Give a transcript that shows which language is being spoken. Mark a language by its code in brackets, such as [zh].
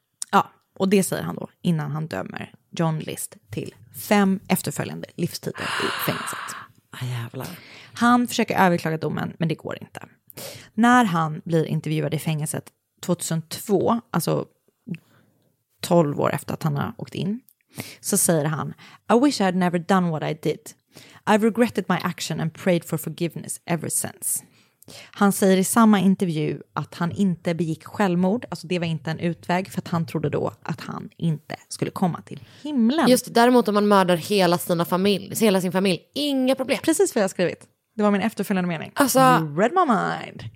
[sv] Ja, och det säger han då innan han dömer John List till 5 efterföljande livstider i fängelset. Ah, jävlar. Han försöker överklaga domen, men det går inte. När han blir intervjuad i fängelset 2002, alltså 12 år efter att han har åkt in, så säger han, [en] I wish I had never done what I did. I've regretted my action and prayed for forgiveness ever since. [sv] Han säger i samma intervju att han inte begick självmord, alltså det var inte en utväg, för att han trodde då att han inte skulle komma till himlen. Just det, däremot om man mördar hela sin familj, inga problem. Precis vad jag skrivit. Det var min efterföljande mening. Alltså, [en] you read my mind.